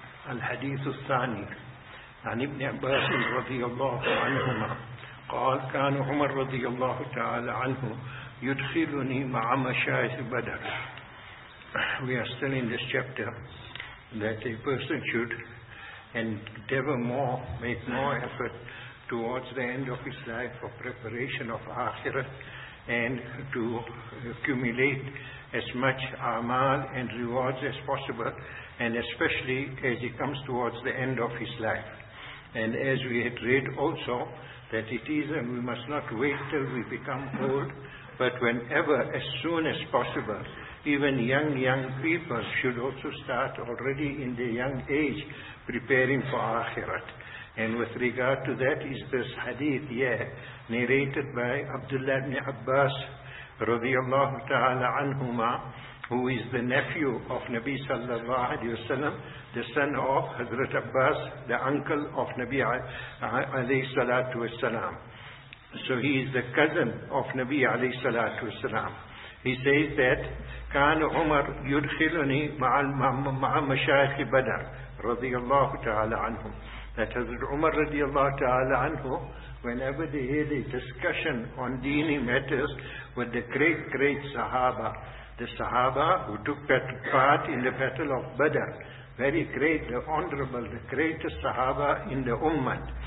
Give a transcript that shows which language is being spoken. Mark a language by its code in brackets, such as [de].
[ar] الحديث الثاني عن ابن عباس رضي الله عنهما قال: كان عمر رضي الله تعالى عنه يدخلني مع مشايخ بدر. [en] We are still in this chapter that a person should endeavor more, make more effort towards the end of his life for preparation of Akhirah and to accumulate as much amal and rewards as possible, and especially as he comes towards the end of his life. And as we had read also, that it is, and we must not wait till we become old, but whenever, as soon as possible, even young people should also start already in their young age preparing for Akhirat. And with regard to that is this hadith here, narrated by Abdullah ibn Abbas radiallahu ta'ala anhuma, who is the nephew of Nabi sallallahu alayhi wasallam, the son of Hazrat Abbas, the uncle of Nabi alayhi salatu wasalam. So he is the cousin of Nabi alayhi salatu wasalam. He says that [ar] كان عمر يدخلني مع مشايخ بدر رضي الله تعالى عنهم. [en] That Hazrat Umar radiallahu ta'ala anhu, whenever they hear the discussion on dini matters with the great Sahaba, the Sahaba who took part in the battle of Badr, very great, the honorable, the greatest Sahaba in the Ummah.